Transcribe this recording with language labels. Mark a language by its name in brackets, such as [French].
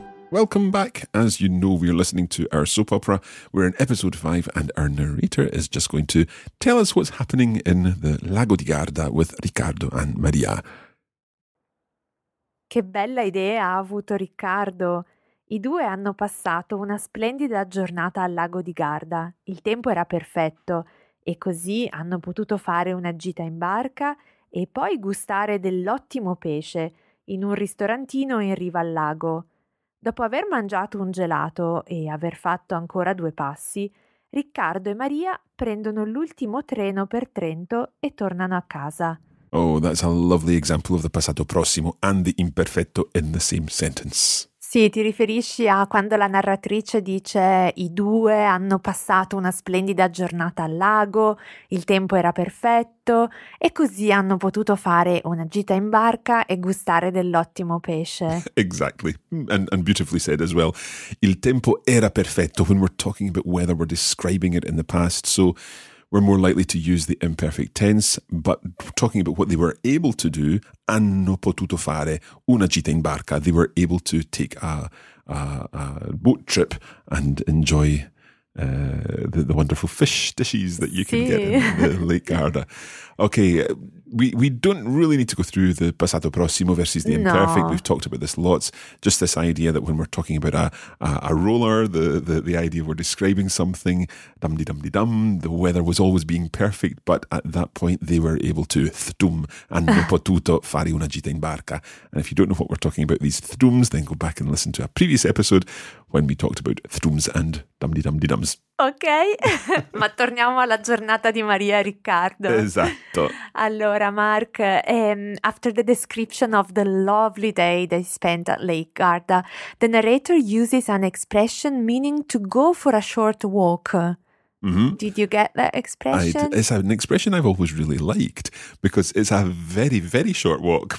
[English] Welcome back. As you know, we're listening to our soap opera. We're in episode 5 and our narrator is just going to tell us what's happening in the Lago di Garda with Riccardo and Maria. [Italian] Che bella idea ha avuto Riccardo. I due hanno passato una splendida giornata al Lago di Garda. Il tempo era perfetto e così hanno potuto fare una gita in barca e poi gustare dell'ottimo pesce in un ristorantino in riva al lago. Dopo aver mangiato un gelato e aver fatto ancora 2 passi, Riccardo e Maria prendono l'ultimo treno per Trento e tornano a casa. [English] Oh, that's a lovely example of the passato prossimo and the imperfetto in the same sentence. [Italian] Sì, ti riferisci a quando la narratrice dice i due hanno passato una splendida giornata al lago, il tempo era perfetto e così hanno potuto fare una gita in barca e gustare dell'ottimo pesce. [English] Exactly, and beautifully said as well. [Italian] Il tempo era perfetto. [English] When we're talking about weather, we're describing it in the past, so we're more likely to use the imperfect tense, but talking about what they were able to do, [Italian] hanno potuto fare una gita in barca. [English] They were able to take a boat trip and enjoy the wonderful fish dishes that you can get in the Lake Garda. Okay, we don't really need to go through the passato prossimo versus the imperfect. No. We've talked about this lots. Just this idea that when we're talking about a roller, the idea we're describing something, dum-di-dum-di-dum, the weather was always being perfect, but at that point they were able to thtum, [Italian] hanno potuto fare una gita in barca. [English] And if you don't know what we're talking about, these thtums, then go back and listen to a previous episode when we talked about thtums and dum-di-dum-di-dums. [Italian] Ok, ma torniamo alla giornata di Maria e Riccardo. Esatto. [English] Allora, Mark, after the description of the lovely day they spent at Lake Garda, the narrator uses an expression meaning to go for a short walk. Mm-hmm. Did you get that expression? It's an expression I've always really liked because it's a very, very short walk.